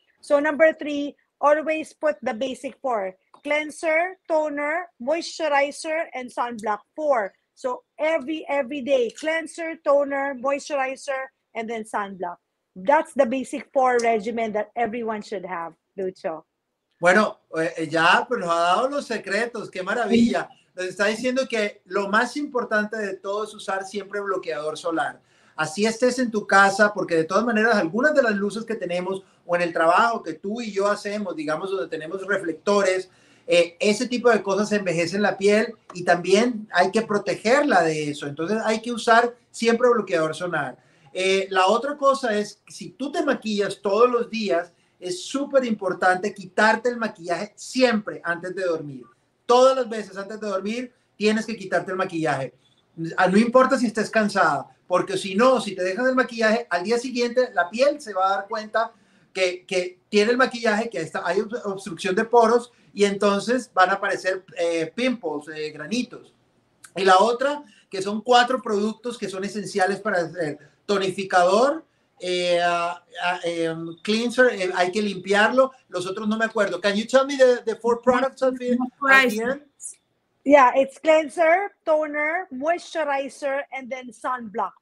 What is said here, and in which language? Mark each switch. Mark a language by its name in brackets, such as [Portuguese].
[English] So number three, always put the basic four: cleanser, toner, moisturizer, and sunblock. Four. So every day, cleanser, toner, moisturizer, and then sunblock. That's the basic four regimen that everyone should have, Lucho. [Spanish] Bueno, ya nos ha dado los secretos. Qué maravilla. Nos está diciendo que lo más importante de todo es usar siempre bloqueador solar. Así estés en tu casa, porque de todas maneras algunas de las luces que tenemos o en el trabajo que tú y yo hacemos, digamos, donde tenemos reflectores, ese tipo de cosas envejecen la piel y también hay que protegerla de eso. Entonces hay que usar siempre bloqueador solar. La otra cosa es, si tú te maquillas todos los días, es súper importante quitarte el maquillaje siempre antes de dormir. Todas las veces antes de dormir tienes que quitarte el maquillaje. No importa si estés cansada, porque si no, si te dejas el maquillaje, al día siguiente la piel se va a dar cuenta que tiene el maquillaje, que está, hay obstrucción de poros, y entonces van a aparecer pimples, granitos. Y la otra, que son cuatro productos que son esenciales para hacer: tonificador, cleanser, hay que limpiarlo. Los otros no me acuerdo. [English] Can you tell me the four products of it? Yeah, it's cleanser, toner, moisturizer, and then sunblock.